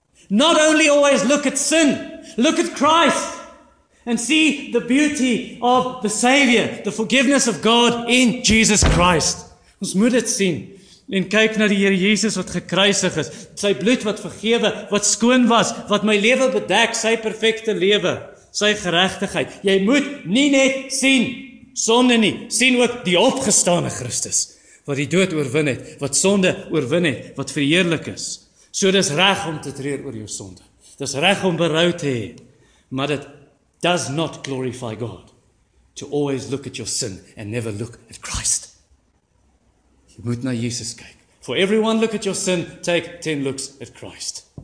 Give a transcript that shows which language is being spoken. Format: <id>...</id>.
<en>Not only always look at sin, look at Christ and see the beauty of the Savior, the forgiveness of God in Jesus Christ.</en> <af>Ons moet dit sien. En kyk na die Here Jesus wat gekruisig is. Sy bloed wat vergewe, wat skoon was, wat my lewe bedek, sy perfekte lewe, sy geregtigheid. Jy moet nie net sien sonde nie. Sien ook die opgestane Christus, wat die dood oorwin het, wat sonde oorwin het, wat verheerlik is. So dis reg om te treur oor jou sonde. Dis reg om berou te hê, maar dit</af> <en>does not glorify God to always look at your sin and never look at Christ.</en> <af>Jy moet na Jesus kyk.</af> <en>For everyone look at your sin, take 10 looks at Christ.</en>